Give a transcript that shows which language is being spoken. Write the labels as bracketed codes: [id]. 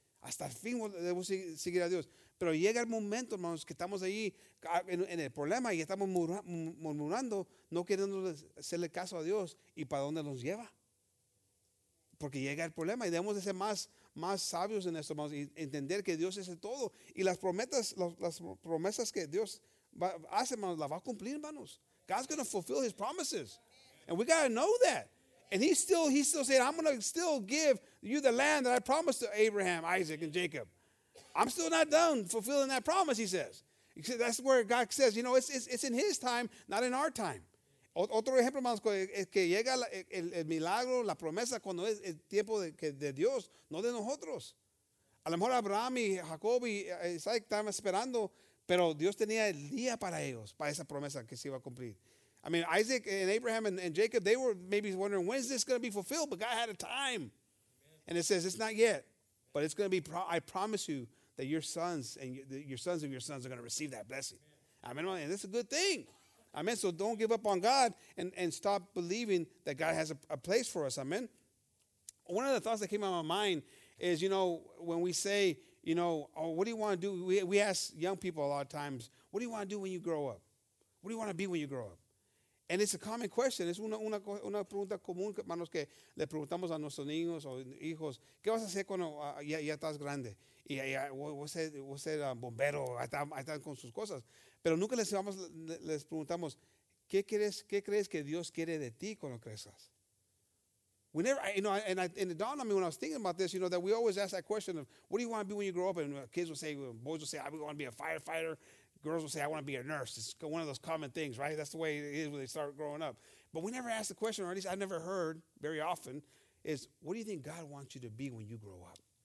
[es] Hasta el fin debo seguir a Dios. Pero llega el momento, hermanos, que estamos ahí en el problema y estamos murmurando, no queriendo hacerle caso a Dios. ¿Y para dónde nos lleva? Porque llega el problema y debemos de ser más sabios en esto, hermanos, y entender que Dios es el todo. Y las promesas que Dios hace, hermanos, las va a cumplir, hermanos. [en] God's going to fulfill his promises. And we got to know that. And he's still saying, I'm going to still give you the land that I promised to Abraham, Isaac, and Jacob. I'm still not done fulfilling that promise, he says. That's where God says, you know, it's in his time, not in our time. [es] Otro ejemplo, hermanos, es que llega el milagro, la promesa, cuando es el tiempo de Dios, no de nosotros. A lo mejor Abraham y Jacob y Isaac estaban esperando, pero Dios tenía el día para ellos, para esa promesa que se iba a cumplir. [en] I mean, Isaac and Abraham and Jacob, they were maybe wondering, when's this going to be fulfilled? But God had a time. Amen. And it says, it's not yet, but it's going to be, I promise you that your sons are going to receive that blessing. Amen. Amen. And that's a good thing. Amen. So don't give up on God and stop believing that God has a place for us. Amen. One of the thoughts that came out of my mind is, you know, when we say, you know, oh, what do you want to do? We ask young people a lot of times, what do you want to do when you grow up? What do you want to be when you grow up? And it's a common question. [es] Es una pregunta común, hermanos, que le preguntamos a nuestros niños o hijos. ¿Qué vas a hacer cuando ya estás grande? Y voy a ser bombero, ahí están con sus cosas. Pero nunca les preguntamos, ¿qué crees que Dios quiere de ti cuando crezcas? [en] And it dawned on me when I was thinking about this, you know, that we always ask that question of, what do you want to be when you grow up? And kids will say, boys will say, I want to be a firefighter. Girls will say, I want to be a nurse. It's one of those common things, right? That's the way it is when they start growing up. But we never ask the question, or at least I've never heard very often, is what do you think God wants you to be when you grow up?